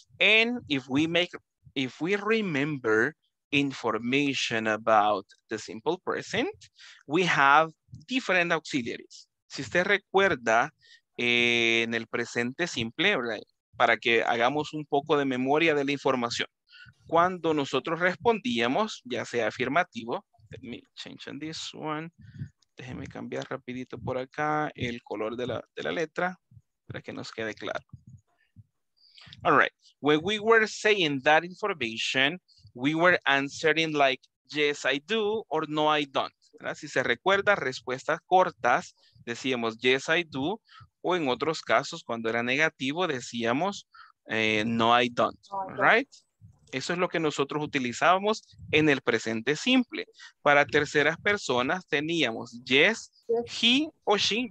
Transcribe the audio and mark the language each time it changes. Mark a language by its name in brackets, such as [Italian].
[English] And if we remember information about the simple present, we have different auxiliaries. [Spanish] Si usted recuerda en el presente simple, ¿verdad? Para que hagamos un poco de memoria de la información. Cuando nosotros respondíamos, ya sea afirmativo, [English] let me change on this one. [Spanish] Déjeme cambiar rapidito por acá el color de la letra para que nos quede claro. [English] All right. When we were saying that information, we were answering like, yes, I do, or no, I don't. [Spanish] ¿Verdad? Si se recuerda, respuestas cortas, decíamos, [English] yes, I do. [Spanish] O en otros casos, cuando era negativo, decíamos, [English] no, I don't. All right. [Spanish] Eso es lo que nosotros utilizábamos en el presente simple. Para terceras personas teníamos [English] yes, he [Spanish] o she.